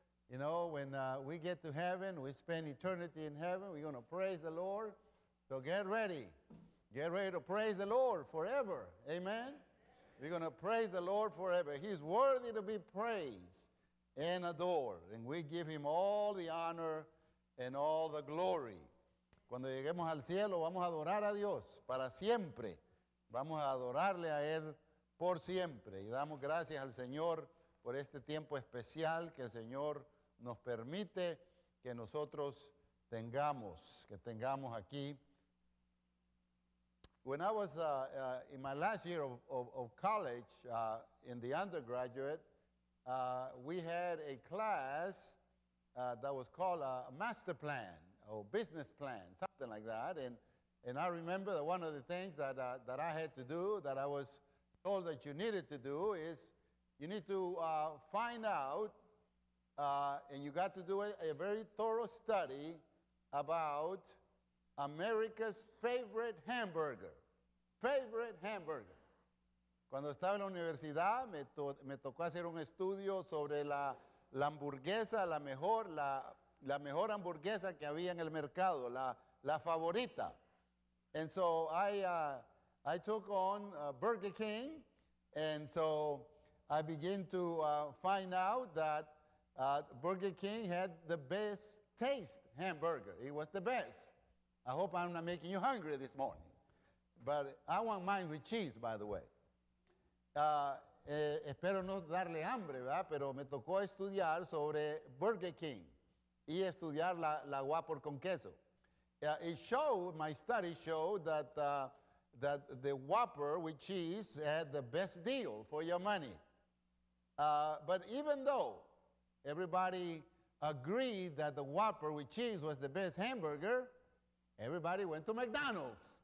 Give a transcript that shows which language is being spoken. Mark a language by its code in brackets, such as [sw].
[en] You know, when we get to heaven, we spend eternity in heaven, we're going to praise the Lord. So get ready. Get ready to praise the Lord forever. Amen? We're going to praise the Lord forever. He's worthy to be praised and adored. And we give him all the honor and all the glory. [es] Cuando lleguemos al cielo, vamos a adorar a Dios para siempre. Vamos a adorarle a Él por siempre. Y damos gracias al Señor por este tiempo especial que el Señor nos permite que nosotros tengamos, aquí. [en] When I was in my last year of college, in the undergraduate, we had a class that was called a master plan or business plan, something like that. And I remember that one of the things that that I had to do, that I was told that you needed to do, is you need to find out, and you got to do a very thorough study about America's favorite hamburger. Favorite hamburger. [es] Cuando estaba en la universidad, me tocó hacer un estudio sobre la hamburguesa, la mejor hamburguesa que había en el mercado, la favorita. [en] And so I took on Burger King, and so I began to find out that Burger King had the best taste hamburger. It was the best. I hope I'm not making you hungry this morning. But I want mine with cheese, by the way. [es] Espero no darle hambre, ¿verdad? Pero me tocó estudiar sobre Burger King y estudiar la Whopper con queso. [en] My study showed that the Whopper with cheese had the best deal for your money. But even though everybody agreed that the Whopper with cheese was the best hamburger, everybody went to McDonald's.